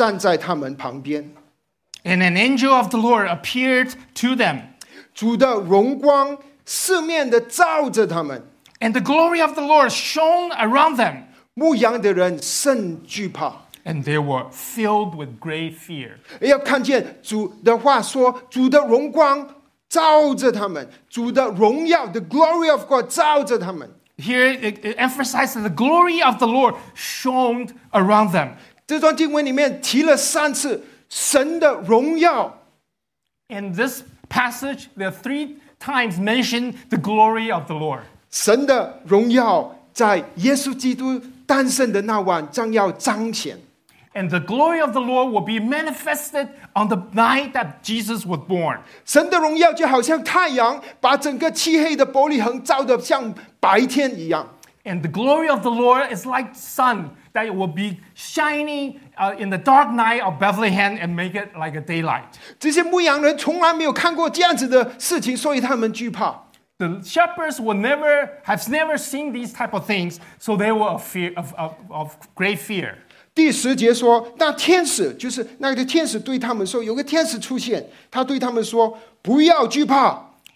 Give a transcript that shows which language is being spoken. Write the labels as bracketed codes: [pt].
[zh] 有主的使者站在他们旁边。 [en] And an angel of the Lord appeared to them. [zh] 主的荣光四面地照着他们。 [en] And the glory of the Lord shone around them. [zh] 牧羊的人甚惧怕。 [en] And they were filled with great fear. [zh] 要看见主的话说，主的荣光 照着他们，主的荣耀, [en] the glory of God, [zh] 照着他们。 [en] Here it emphasizes the glory of the Lord shone around them. [zh] 这段经文里面提了三次神的荣耀。 [en] In this passage, there are three times mentioned the glory of the Lord. [zh] 神的荣耀在耶稣基督诞生的那晚将要彰显。 [en] And the glory of the Lord will be manifested on the night that Jesus was born. [zh] 神的荣耀就好像太阳把整个漆黑的伯利恒照得像白天一样。 [en] And the glory of the Lord is like sun that will be shining in the dark night of Bethlehem and make it like a daylight. [zh] 这些牧羊人从来没有看过这样子的事情，所以他们惧怕。 [en] The shepherds will never have never seen these type of things, so they were of great fear. [zh] 第十节说，那天使就是那个天使对他们说，有个天使出现，他对他们说，不要惧怕。